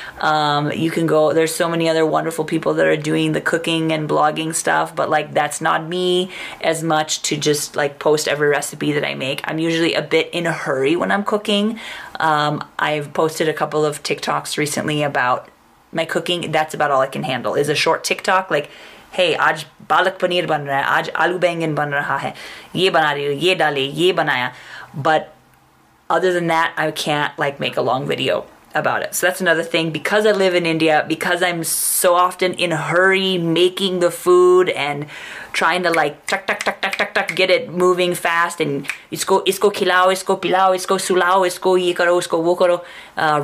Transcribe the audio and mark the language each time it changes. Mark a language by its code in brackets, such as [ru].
[en] You can go, there's so many other wonderful people that are doing the cooking and blogging stuff, but like that's not me as much to just like post every recipe that I make. I'm usually a bit in a hurry when I'm cooking. I've posted a couple of TikToks recently about my cooking. That's about all I can handle is a short TikTok like, hey, [hi] आज बालक पनीर बन रहा है, आज आलू बैंगन बन रहा है, ये बना रही हूँ, ये डाली, ये बनाया. [en] But other than that, I can't like make a long video about it. So that's another thing. Because I live in India, because I'm so often in a hurry making the food and trying to like tuck, tuck, tuck, tuck, tuck, tuck, get it moving fast and [hi] इसको खिलाओ, इसको पिलाओ, इसको सुलाओ, इसको ये करो, इसको वो करो.